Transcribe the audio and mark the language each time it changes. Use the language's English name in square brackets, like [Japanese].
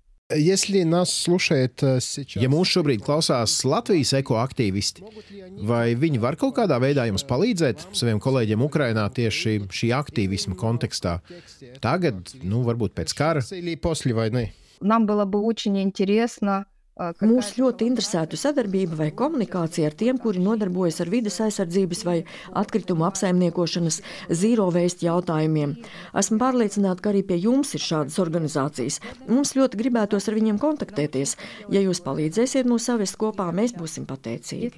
[Russian] Если нас слушает сейчас... [Latvian] Ja mūs šobrīd klausās Latvijas ekoaktīvisti, vai viņi var kaut kādā veidā jums palīdzēt saviem kolēģiem Ukrainā tieši šī aktīvisma kontekstā? Tagad, nu, varbūt pēc kara? [Russian] Нам было бы очень интересно... [Latvian] Mūs ļoti interesētu sadarbība vai komunikācija ar tiem, kuri nodarbojas ar vides aizsardzības vai atkritumu apsaimniekošanas zīro veist jautājumiem. Esmu pārliecināta, ka arī pie jums ir šādas organizācijas. Mums ļoti gribētos ar viņiem kontaktēties. Ja jūs palīdzēsiet mūs savest kopā, mēs būsim pateicīgi.